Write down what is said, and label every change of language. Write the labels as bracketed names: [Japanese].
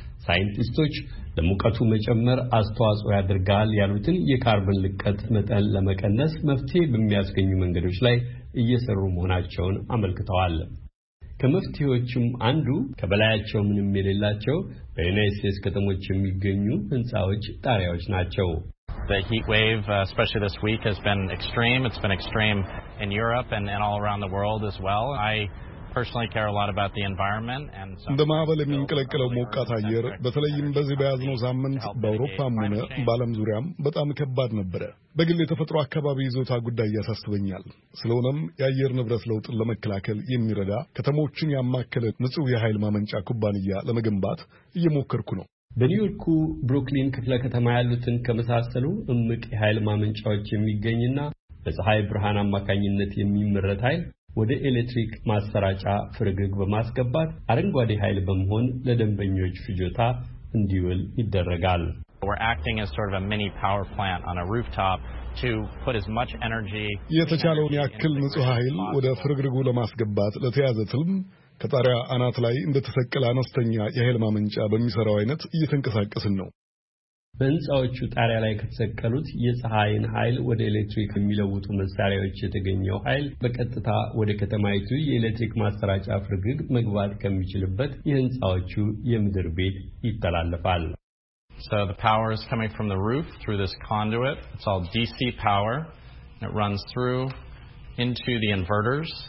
[Amharic] ሳይንቲስቶች ለሙቀቱ መጨመር አስተዋጽኦ ያደርጋል ያሉትን የካርቦን ልቀት መጠን ለመቀነስ መፍትሄ በሚያስገኙ መንገዶች ላይ እየሰሩ መሆናቸውን አመልክተዋል። ከመፍትሄዎችም አንዱ ከበላያቸው ምንም የሌላቸው በዩናይትድ ስቴትስ ከተሞች የሚገኙ ህንጻዎች ጣሪያዎች ናቸው። [English] The heat wave, especially this week, has been extreme. It's been extreme in Europe and all around the world as well. I personally care a lot about the environment. [Amharic] በማህበለ ምንቀለቀለው ሞቃት አየር በተለይም በዚህ በያዝነው ሳምንት በአውሮፓም ሆነ በዓለም ዙሪያም በጣም ከባድ ነበር። በግል የተፈጥሮ አካባቢ ይዞታ ጉዳይ ያሳስበኛል። ስለሆነም የአየር ንብረት ለውጥ ለመከላከል የሚረዳ ከተሞችን ያማከለ ንጹህ የኃይል ማመንጫ ኩባንያ ለመገንባት እየሞከርኩ ነው። በኒውዮርክ ብሩክሊን ክፍለ ከተማ ያሉትን ከመሳሰሉ እምቅ የኃይል ማመንጫዎች የሚገኝና በፀሐይ ብርሃን አማካኝነት የሚመረት ኃይል ወደ ኤሌክትሪክ ማሰራጫ ፍርግግ በማስገባት አረንጓዴ ኃይል በመሆን ለደንበኞች ፍጆታ እንዲውል ይደረጋል። [English] We're acting as sort of a mini power plant on a rooftop to put as much energy [Amharic] የተቻለውን ያክል ንጹህ ኃይል ወደ ፍርግርጉ ለማስገባት ለተያዘትልም ከጣሪያ አናት ላይ እንደተሰቀለ አነስተኛ የኃይል ማመንጫ በሚሰራው አይነት እየተንቀሳቀስን ነው። በንጻዎቹ ጣሪያ ላይ ከተሰቀሉት የፀሐይን ኃይል ወደ ኤሌክትሪክ የሚለውጡ መሳሪያዎች የተገኘው ኃይል በቀጥታ ወደ ከተማይቱ የኤሌክትሪክ ማሰራጫ ፍርግግ መግባት ከሚችልበት የንጻዎቹ የምድር ቤት ይተላለፋል። [English] So the power is coming from the roof through this conduit. It's all DC power. It runs through into the inverters.